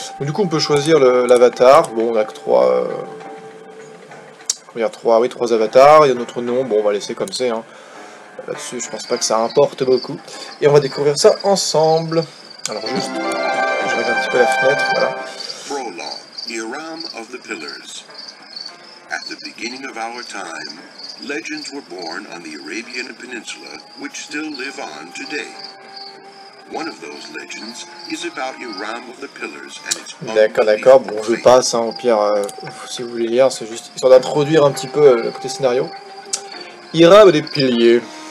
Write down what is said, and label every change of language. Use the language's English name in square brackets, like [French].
[French] Donc, du coup, on peut choisir l'avatar. Bon, on a que trois... trois avatars. Il y a notre nom, bon, on va laisser comme c'est. Hein. Là-dessus, je pense pas que ça importe beaucoup. Et on va découvrir ça ensemble. Alors juste, je regarde un petit peu la fenêtre, voilà. [English] The realm of the pillars. At the beginning of our time, legends were born on the Arabian Peninsula, which still live on today. One of those legends is about the realm of the pillars and its own. [French] D'accord. Bon, je passe. Hein, au pire, si vous voulez lire, c'est juste histoire d'introduire un petit peu le côté scénario. Hiram des piliers.